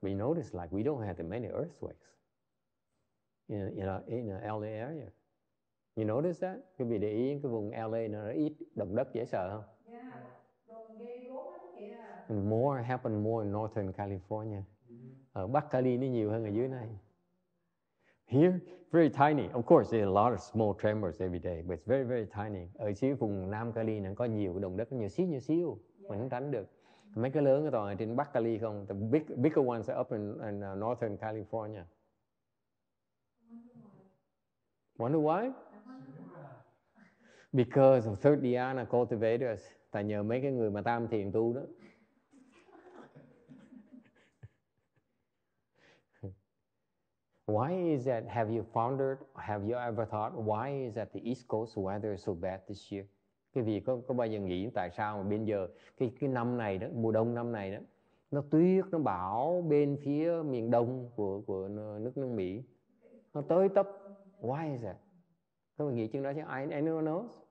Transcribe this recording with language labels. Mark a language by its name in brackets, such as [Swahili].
[English] We notice like we don't have that many earthquakes in the LA area. You notice that? [Vietnamese] Quý vị để ý cái vùng LA nó ít động đất dễ sợ không? [English] Yeah. More happen more in Northern California. [Vietnamese] Ở Bắc Cali nó nhiều hơn ở dưới này. [English] Here, very tiny. Of course, there are a lot of small tremors every day, but it's very, very tiny. [Vietnamese] Ở dưới vùng Nam Cali nó có nhiều động đất, nhiều xíu, mình không tránh được. Mấy cái lớn toàn ở trên Bắc Cali không? [English] The bigger ones are up in Northern California. Wonder why? Because of third dhyana cultivators, [Vietnamese] tại nhờ mấy cái người mà tam thiền tu đó. [English] Why is that? Have you pondered? Have you ever thought why is that the East Coast weather is so bad this year? [Vietnamese] Cái vì có bao giờ nghĩ tại sao mà bây giờ cái năm này đó, mùa đông năm này đó, nó tuyết nó bão bên phía miền đông của nước Mỹ, nó tới tấp. [English] Why is that? [Vietnamese] Các bạn nghĩ chuyện đó chứ, [English] anyone knows?